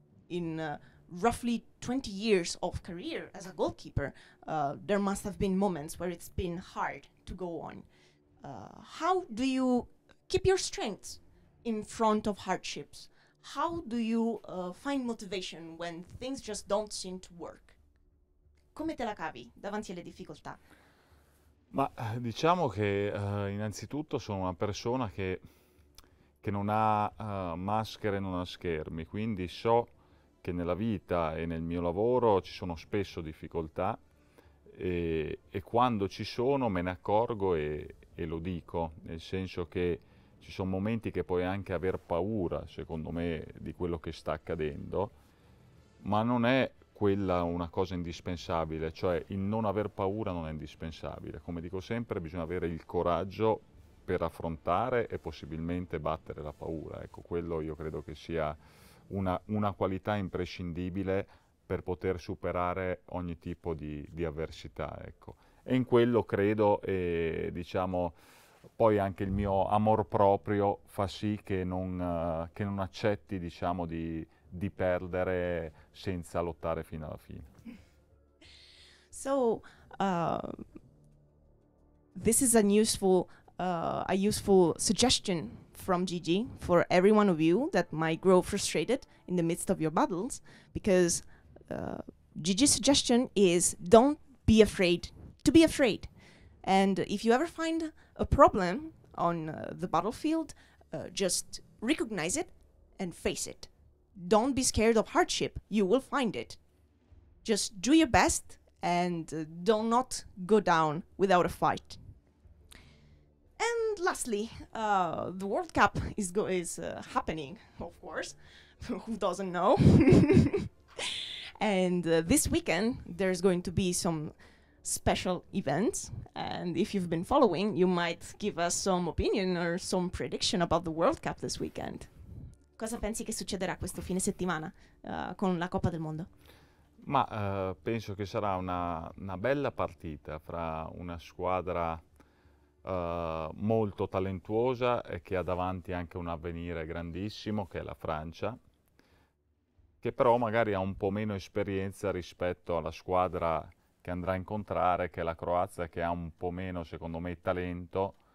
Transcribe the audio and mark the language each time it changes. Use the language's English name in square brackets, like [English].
[English] In roughly 20 years of career as a goalkeeper, there must have been moments where it's been hard to go on. How do you keep your strengths in front of hardships? How do you find motivation when things just don't seem to work? [Italian] Come te la cavi davanti alle difficoltà? Ma diciamo che innanzitutto sono una persona che non ha maschere, non ha schermi, quindi so che nella vita e nel mio lavoro ci sono spesso difficoltà e quando ci sono me ne accorgo e lo dico, nel senso che ci sono momenti che puoi anche aver paura, secondo me, di quello che sta accadendo, ma non è quella una cosa indispensabile, cioè il non aver paura non è indispensabile. Come dico sempre, bisogna avere il coraggio per affrontare e possibilmente battere la paura. Ecco, quello io credo che sia una qualità imprescindibile per poter superare ogni tipo di avversità. Ecco. E in quello credo, diciamo, poi anche il mio amor proprio fa sì che non accetti, diciamo, di perdere senza lottare fino alla fine. [English] So this is a useful suggestion from Gigi for every one of you that might grow frustrated in the midst of your battles, because Gigi's suggestion is don't be afraid to be afraid. And if you ever find a problem on the battlefield, just recognize it and face it. Don't be scared of hardship. You will find it. Just do your best and do not go down without a fight. And lastly, the World Cup is happening, of course. Who doesn't know? And this weekend, there's going to be some special events. And if you've been following, you might give us some opinion or some prediction about the World Cup this weekend. [Italian] Cosa pensi che succederà questo fine settimana con la Coppa del Mondo? Ma penso che sarà una bella partita fra una squadra molto talentuosa e che ha davanti anche un avvenire grandissimo, che è la Francia, che però magari ha un po' meno esperienza rispetto alla squadra che andrà a incontrare, che è la Croazia, che ha un po' meno, secondo me, talento.